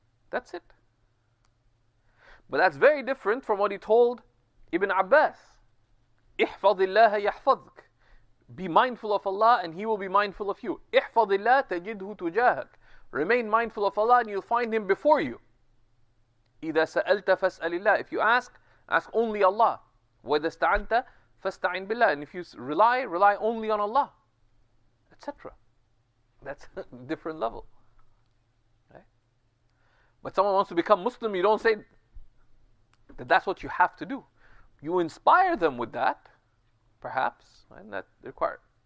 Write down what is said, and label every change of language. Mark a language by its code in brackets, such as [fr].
[en] That's it. But that's very different from what he told Ibn Abbas. [ar] احفظ الله يحفظك. [en] Be mindful of Allah and He will be mindful of you. [ar] احفظ الله تجده تجاهك. [en] Remain mindful of Allah and you'll find Him before you. [ar] إذا سألت فاسأل الله. [en] If you ask, ask only Allah. [ar] وإذا استعنت فاستعن بالله. [en] And if you rely, rely only on Allah. Etc. That's a different level. But someone wants to become Muslim, you don't say that that's what you have to do. You inspire them with that, perhaps, and that required.